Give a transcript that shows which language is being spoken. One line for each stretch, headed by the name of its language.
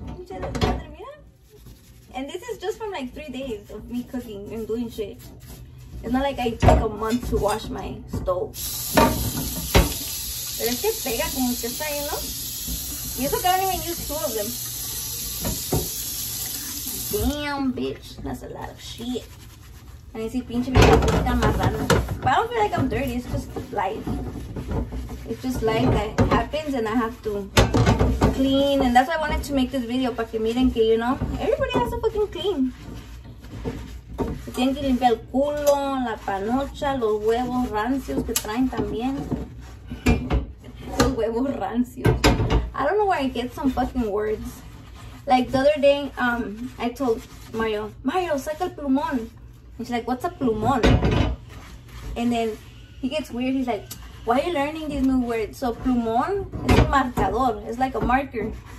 English: And this is just from like 3 days of me cooking and doing shit. It's not like I took a month to wash my stove.
Spanish: Pero es que pega como que está ahí, ¿no? Y eso que
English: I don't even use two of them. Damn, bitch. That's a lot of shit. And I see
Spanish: pinche me está amarrando.
English: But I don't feel like I'm dirty. It's just life. It's just life that happens and I have to clean. And that's why I wanted to make this video.
Spanish: Para que miren que,
English: you know, everybody has to fucking clean.
Spanish: Tienen que limpiar el culo, la panocha, los huevos rancios que traen también. Los huevos rancios.
English: I don't know where I get some fucking words. Like the other day, I told Mario,
Spanish: saca el plumón.
English: And she's like, what's a plumón? And then he gets weird. He's like, why are you learning these new words? So plumón is a marcador. It's like a marker.